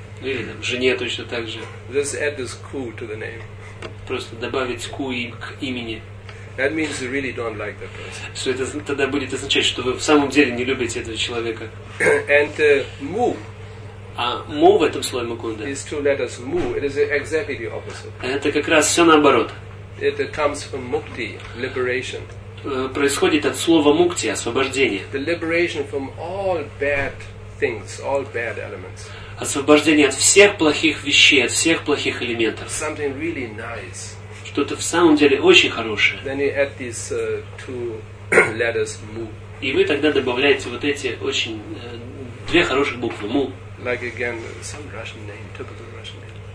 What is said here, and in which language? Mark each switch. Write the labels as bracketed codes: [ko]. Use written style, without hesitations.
[ru] Или там жене точно так же. [en] Just add this ку to the name. [ru] Просто добавить ку к имени. [en] That means you really don't like that person. [ru] Что это тогда будет означать, что вы в самом деле не любите этого человека? [en] And mu. [ru] А mu в этом слове Mukunda. [en] These two letters mu. It is exactly the opposite. [ru] Это как раз все наоборот. [en] It comes from mukti, liberation. [ru] Происходит от слова мукти, освобождение. [en] The liberation from all bad things, all bad elements. [ru] Освобождение от всех плохих вещей, от всех плохих элементов. [en] Something really nice. [ru] Что-то в самом деле очень хорошее. [en] Then you add these two letters mu. [ru] И вы тогда добавляете вот эти очень две хороших буквы mu. [en] Like again some Russian name, typical Russian name.